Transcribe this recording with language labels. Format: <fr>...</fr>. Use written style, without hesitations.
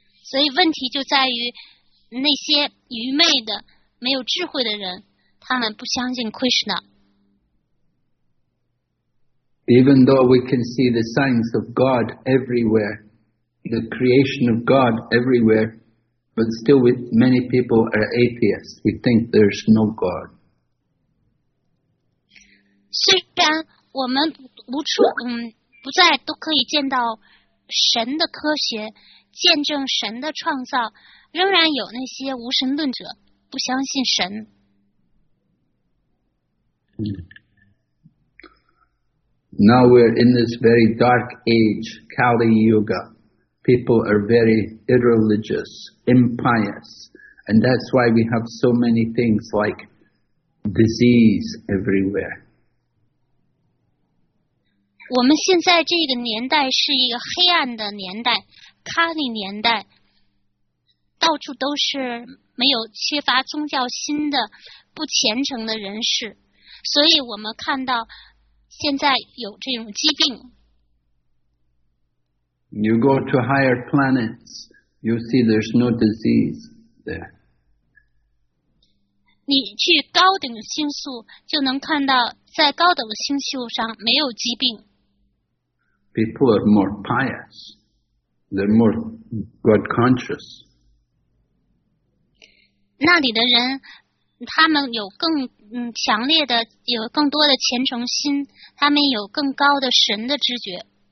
<zh>所以问题就在于那些愚昧的、没有智慧的人，他们不相信 Krishna。</zh> <en>Even though we can see the signs of God everywhere, the creation of God everywhere, but still many people are atheists. We think there's no God.</en> <zh>虽然我们无处不在都可以见到神的科学，见证神的创造，仍然有那些无神论者不相信神。嗯。</zh> <en>Now we're in this very dark age, Kali Yuga. People are very irreligious, impious, and that's why we have so many things like disease everywhere.</en> <zh>我们现在这个年代是一个黑暗的年代，卡利年代，到处都是没有缺乏宗教心的不虔诚的人士，所以我们看到现在有这种疾病。</zh> <en>You go to higher planets, you see there's no disease there.</en> <zh>你去高等星宿，就能看到在高等星宿上没有疾病。</zh> <en>People are more pious. They're more God conscious.</en> <zh>那里的人他们有更强烈的，有更多的虔诚心，他们有更高的神的知觉。</zh>